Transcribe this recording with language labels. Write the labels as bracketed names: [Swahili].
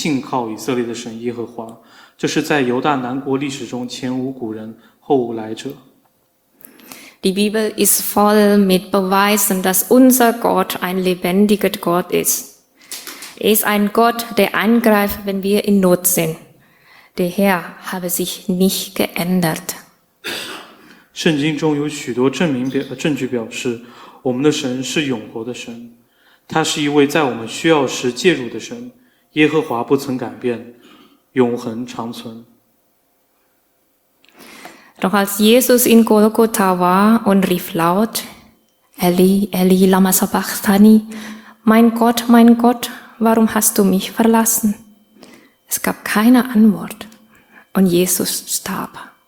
[Chinese] 西西家相信信靠以色列的神耶和华, 这是在犹大南国历史中前无古人后无来者。 [German] Die Bibel ist voll mit Beweisen, dass unser Gott ein lebendiger Gott ist. Er ist ein Gott, der eingreift, wenn wir in Not sind. Der Herr habe sich nicht geändert. [Chinese] 圣经中有许多证据表示我们的神是永活的神。他是一位在我们需要时介入的神，耶和华不曾改变，永恒长存。 [German] Doch als Jesus in Golgotha war und rief laut, [Aramaic] Eli, Eli, lama sabachthani, [German] mein Gott, warum hast du mich verlassen? Es gab keine Antwort und Jesus starb.